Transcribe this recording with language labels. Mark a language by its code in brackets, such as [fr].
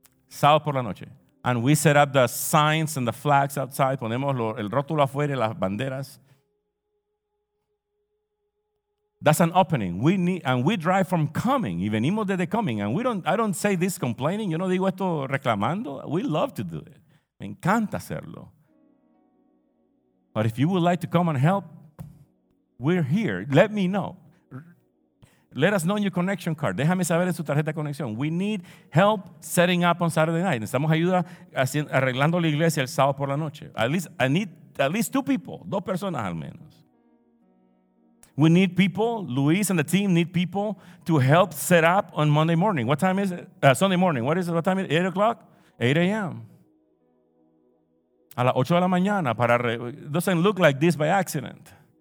[es] Sábado por la noche. [en] And we set up the signs and the flags outside. [es] Ponemos el rótulo afuera y las banderas. [en] That's an opening. We drive from Cumming. [es] Y venimos desde Cumming. [en] And I don't say this complaining. [es] Yo no digo esto reclamando. [en] We love to do it. [es] Me encanta hacerlo. [en] But if you would like to come and help, we're here. Let me know. Let us know your connection card. [es] Déjame saber en su tarjeta de conexión. [en] We need help setting up on Saturday night. [es] Necesitamos ayuda arreglando la iglesia el sábado por la noche. [en] I need at least 2 people, [es] 2 personas al menos. [en] We need people, Luis and the team need people to help set up on Monday morning. What time is it? Sunday morning. What time is it? 8 o'clock? 8 a.m. [es] a las 8 de la mañana para [en] doesn't look like this by accident.